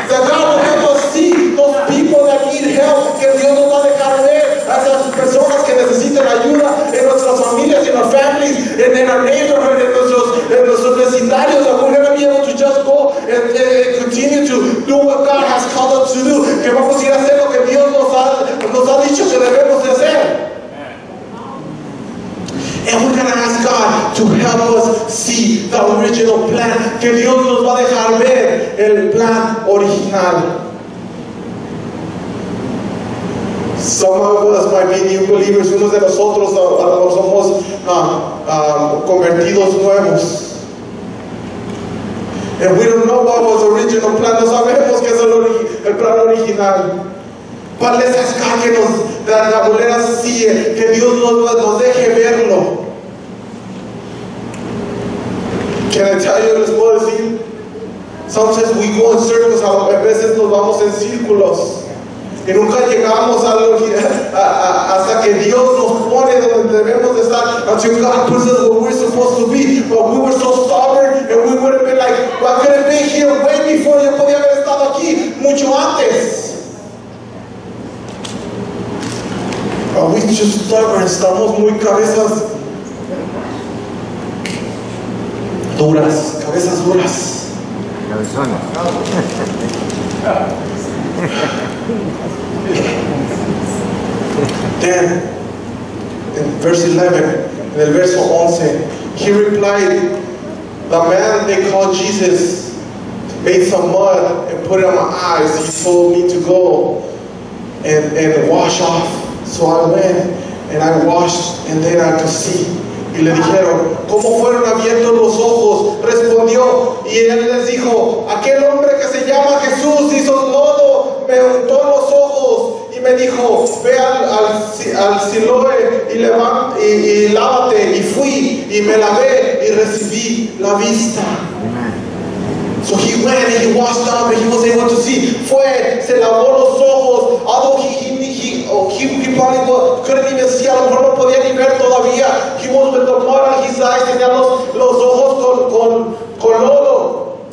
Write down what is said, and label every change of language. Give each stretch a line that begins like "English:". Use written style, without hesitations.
English: That God will help us see those people that need help.
Spanish: Que Dios nos va a dejar ver a esas personas que necesitan ayuda en nuestras familias,
English: in our families, and in our neighborhood,
Spanish: in nuestros vecindarios.
English: That we're gonna be able to just go and continue to do what God has called us to do.
Spanish: Que vamos a ir a hacer lo que Dios nos ha dicho que debemos de hacer.
English: And we're gonna ask God to help us see the original plan.
Spanish: Que Dios nos va a dejar ver el plan original.
English: Some of us might be new believers.
Spanish: Unos de nosotros somos convertidos nuevos.
English: And we don't know what was the original plan.
Spanish: No sabemos que es el plan original.
English: But let's ask God
Spanish: que nos la bolera sigue, que Dios nos deje verlo.
English: Can I tell you,
Spanish: les puedo decir?
English: Sometimes we go in circles,
Spanish: a veces nos vamos en círculos. Y nunca llegamos a lo que, hasta que Dios nos pone donde debemos de estar.
English: Until God puts us where we're supposed to be. But we were so stubborn, and we would have been like, well, I could have been here way before.
Spanish: Yo podía haber estado aquí mucho antes.
English: Are we just stubborn?
Spanish: Estamos muy cabezas duras. Cabezas duras.
English: Then, in verse 11, in
Spanish: el verso 11,
English: he replied, the man they call Jesus made some mud and put it on my eyes. He told me to go and wash off. So I went and I washed, and then I could see.
Spanish: Y le dijeron, ¿cómo fueron abiertos los ojos? Respondió, y él les dijo, aquel hombre que se llama Jesús hizo todo, me untó los ojos y me dijo, ve al Siloé y lávate. Y fui y me lavé y recibí la vista.
English: So he went and he washed up and he was able to see.
Spanish: Fue, se lavó los ojos.
English: Although he couldn't even see, he was with the mud on his eyes,
Spanish: tenía los ojos con lodo.